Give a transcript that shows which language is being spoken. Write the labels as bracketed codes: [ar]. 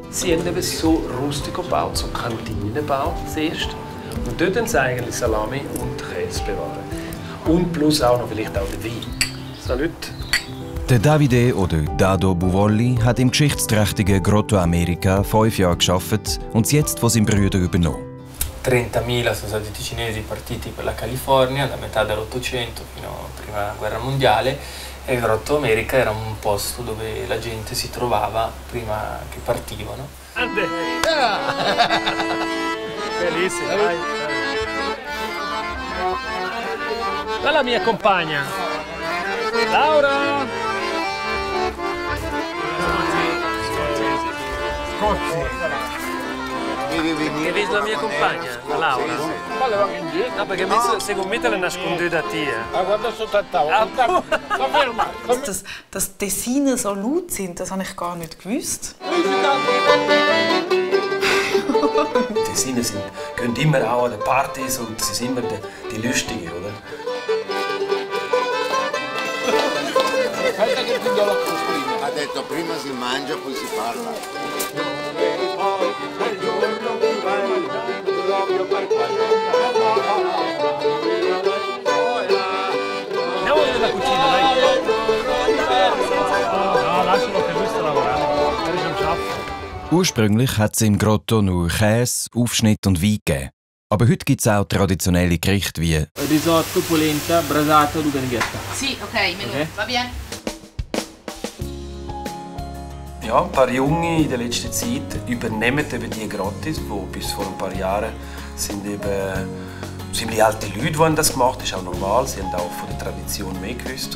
[de] Sie haben eben so rustig gebaut, so Kantinenbau zuerst. Und dort haben sie eigentlich Salami und Käse bewahren. Und plus auch noch vielleicht auch den Wein. Salut! Der Davide oder Dado Buvolli hat im geschichtsträchtigen Grotto America 5 Jahre gearbeitet und jetzt von seinem Bruder übernommen. [it] 30.000 sono stati i cinesi partiti per la California da metà dell'Ottocento fino alla prima guerra mondiale e Grotto America era un posto dove la gente si trovava prima che partivano. Felice, vai. Là la mia compagna. Laura. Scozzi. Che vedi la mia compagna, la Laura? Ma le vado indietro. No, perché no. Secondo me te le nascondi da te. Ah, guarda sotto al tavolo. Sto ferma. [de] Dass Tessine so laut sind, das habe ich gar nicht gewusst. Tessine gehen immer auch an den Partys und sie sind immer die Lustigen, oder? [it] Aspetta, che ti do la costruzione. Ha detto prima si mangia, poi si parla. Andiamo a vedere la cucina, dai. No, lascialo che lui sta lavorando. Non ci [de] schaffen. Ursprünglich hat es im Grotto nur Käse, Aufschnitt und Wein gegeben. Aber heute gibt es auch traditionelle Gerichte wie Risotto, Polenta, Brasata und Ringhetta. [it] Si, okay, va bene. [de] Ja, ein paar Junge in der letzten Zeit übernehmen eben die Grottis, die bis vor ein paar Jahren sind eben ziemlich alte Leute, die haben das gemacht. Das ist auch normal, sie haben auch von der Tradition mehr gewusst.